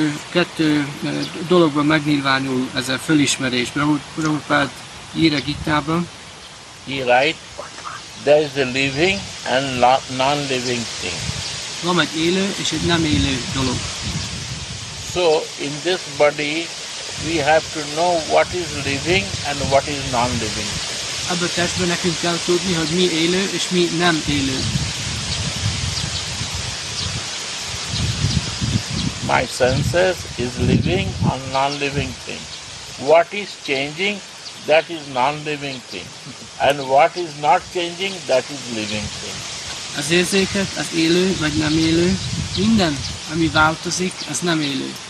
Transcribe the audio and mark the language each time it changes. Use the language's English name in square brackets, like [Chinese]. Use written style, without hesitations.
[Hungarian] Kettő dologban megnyilvánul ez a fölismerés. Prabhupád ír a Gitában. [English] He write, there is a living and non-living thing. [Hungarian] Van egy élő és egy nem élő dolog. [English] So in this body we have to know what is living and what is non-living. [Hungarian] Ebbe a testben nekünk kell tudni, hogy mi élő és mi nem élő. [English] My senses is living or non-living thing. What is changing, that is non-living thing. And what is not changing, that is living thing. [Hungarian] Az érzéket, az élő vagy nem élő, minden, ami változik, az nem élő.